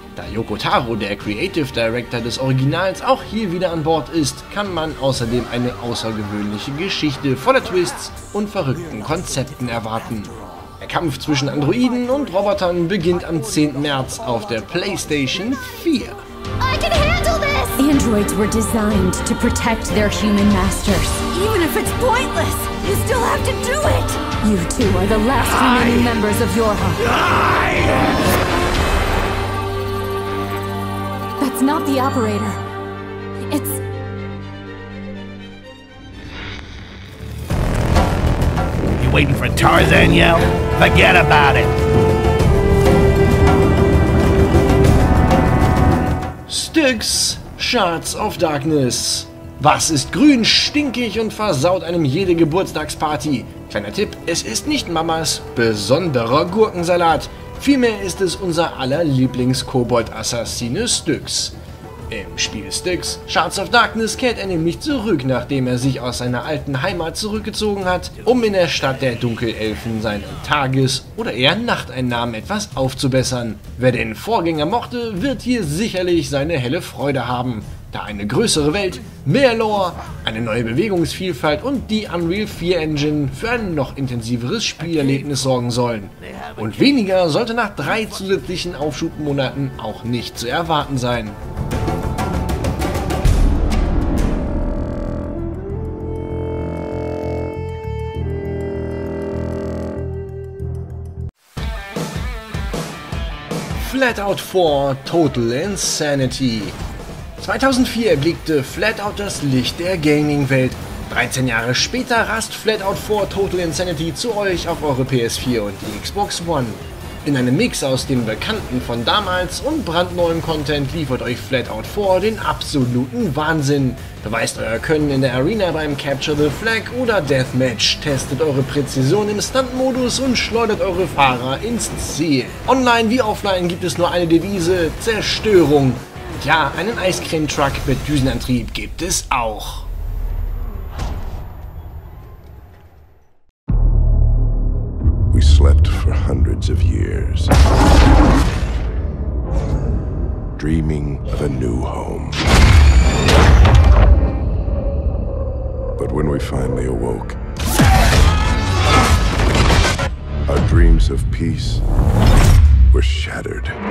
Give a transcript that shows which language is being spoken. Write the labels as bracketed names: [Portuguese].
[German] Da Yoko Taro, der Creative Director des Originals, auch hier wieder an Bord ist, kann man außerdem eine außergewöhnliche Geschichte voller Twists und verrückten Konzepten erwarten. Der Kampf zwischen Androiden und Robotern beginnt am 10. März auf der PlayStation 4. [English] I can handle this! Androids were designed to protect their human masters. Even if it's pointless, you still have to do it! You two are the last remaining members of Yorha. That's not the operator. It's... You waiting for Tarzan, yo? Forget about it! Styx, Shards of Darkness. [German] Was ist grün, stinkig und versaut einem jede Geburtstagsparty? Kleiner Tipp, es ist nicht Mamas besonderer Gurkensalat. Vielmehr ist es unser aller Lieblings-Kobold-Assassine Styx. Im Spiel Styx, Shards of Darkness kehrt er nämlich zurück, nachdem er sich aus seiner alten Heimat zurückgezogen hat, um in der Stadt der Dunkelelfen seinen Tages- oder eher Nachteinnahmen etwas aufzubessern. Wer den Vorgänger mochte, wird hier sicherlich seine helle Freude haben, da eine größere Welt, mehr Lore, eine neue Bewegungsvielfalt und die Unreal 4 Engine für ein noch intensiveres Spielerlebnis sorgen sollen. Und weniger sollte nach 3 zusätzlichen Aufschubmonaten auch nicht zu erwarten sein. [English] Flatout 4 Total Insanity. [German] 2004 erblickte Flatout das Licht der Gaming-Welt. 13 Jahre später rast Flatout 4 Total Insanity zu euch auf eure PS4 und die Xbox One. In einem Mix aus dem Bekannten von damals und brandneuem Content liefert euch Flatout 4 den absoluten Wahnsinn. Beweist euer Können in der Arena beim Capture the Flag oder Deathmatch, testet eure Präzision im Stunt-Modus und schleudert eure Fahrer ins Ziel. Online wie offline gibt es nur eine Devise: Zerstörung. Ja, einen Eiscreme-Truck mit Düsenantrieb gibt es auch. [English] We slept for hundreds of years, dreaming of a new home. But when we finally awoke, our dreams of peace were shattered.